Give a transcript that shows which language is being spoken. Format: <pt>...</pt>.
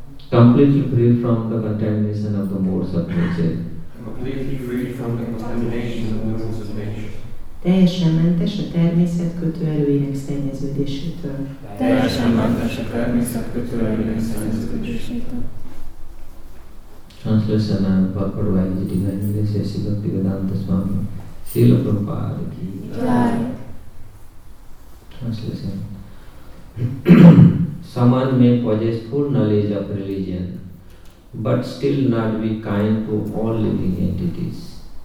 <en>Completely free from the contamination of the modes of nature. Completely free from the contamination of the modes of nature.</en> <hu>Teljesen mentes a természet kötőerőinek szennyeződésétől. Teljesen mentes a természet kötőerőinek szennyeződésétől.</hu> <en>Translation and proper writing in English is Sri Bhaktivedanta Swami.</en> <hi>Srila Prabhupada ki jai.</hi> <en>Translation. Someone may possess full knowledge of religion, but still not be kind to all living entities.</en>